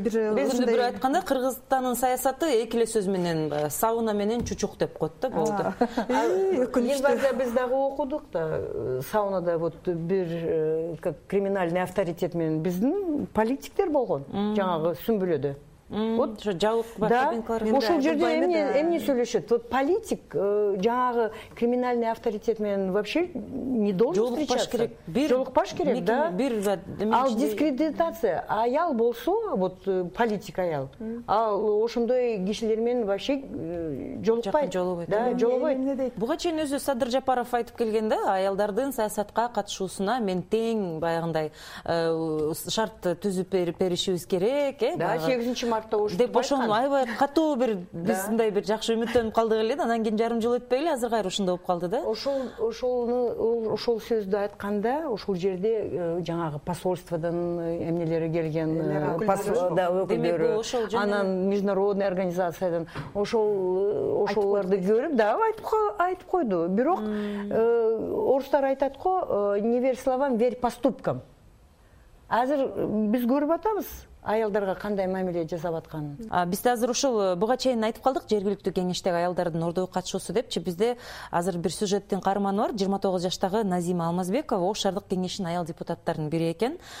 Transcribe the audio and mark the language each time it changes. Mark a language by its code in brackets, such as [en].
[ky] Биз ушундай бир айтканда Кыргызстандын саясаты эки эле сөз менен сауна менен чучук деп коет да, болду. Елбасы биз дагы окудук да, саунада вот бир [ru] как криминальный авторитет [ky] менен биздин политиктер болгон жанагы сүмбүлөдө. Вот ошо жабык бар. Ошол жерде эмне сүйлөшөт? [ru] Вот политик [ky] жанагы [ru] криминальный авторитет менен вообще не должен встречаться. [ky] Жолукпаш керек, да? Ал дискредитация. Аял болсо, вот политик аял, ал ошондой кишилер менен вообще жолукпайт. Да, жолугойт. Буга чейин өзү Садыр Жапаров айтып келген да, аялдардын саясатка катышуусуна мен тең баягындай шарт түзүп беришибиз керек, э? Да, 8-нчи мартта ушу деп ошону аябай катуу бир биз мындай бир жакшы үмүттөнүп калдык эле да, анан кийин жарым жыл өтпөй эле азыр кайра ушундай болуп калды да. Ошол сөздү айтканда ошол жерде жанагы посольстводон эмнелери келген, өкүлдөрү, анан международный организациядан ошолорду көрүп да айтып койду. Бирок орустар айтат го, [ru] не верь словам, верь поступкам. [ky] Азыр биз көрүп атабыз аялдарга кандай мамиле жасап атканын. Биз да азыр ушул буга чейин айтып калдык жергиликтүү кеңештеги аялдардын ордогу катышуусу депчи. Бизде азыр бир сюжеттин каарманы бар, 29 жаштагы Назима Алмазбекова Ош шаардык кеңешинин аял депутаттарынын бири экен.